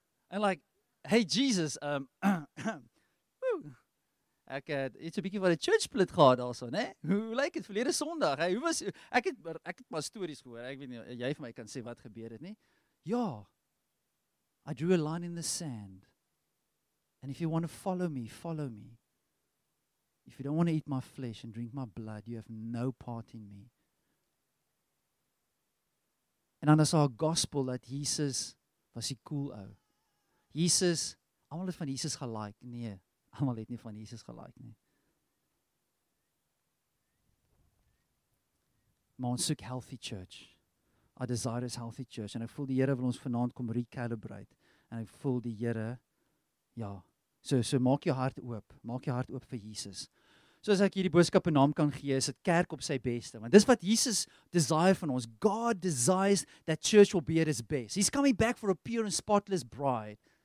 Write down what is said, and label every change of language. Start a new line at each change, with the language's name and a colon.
Afrikaans: En like, hey Jesus, ek het iets 'n bietjie van 'n church split gehad daarso, né? Hoe lyk dit verlede Sondag? Hey, hoe was ek het maar stories gehoor. Ek weet nie jy vir my kan sê wat gebeur het nie.
English: Ja. I drew a line in the sand. And if you want to follow me, follow me. If you don't want to eat my flesh and drink my blood, you have no part in me.
Afrikaans: En dan is daar 'n gospel dat Jesus was die cool ou. Jesus, almal het van Jesus gelike. Nee. Almal het nie van Jesus gelaik nie. Maar ons soek healthy church.
English: Our desire is healthy church.
Afrikaans: En ek voel die Here wil ons vanaand kom recalibrate. En ek voel die Here, ja. So maak jou hart oop. Maak jou hart oop vir Jesus. So as ek hierdie boodskap 'n naam kan gee, is dit kerk op sy beste. Want dis wat Jesus desire van ons.
English: God desires that church will be at its best. He's coming back for a pure and spotless bride.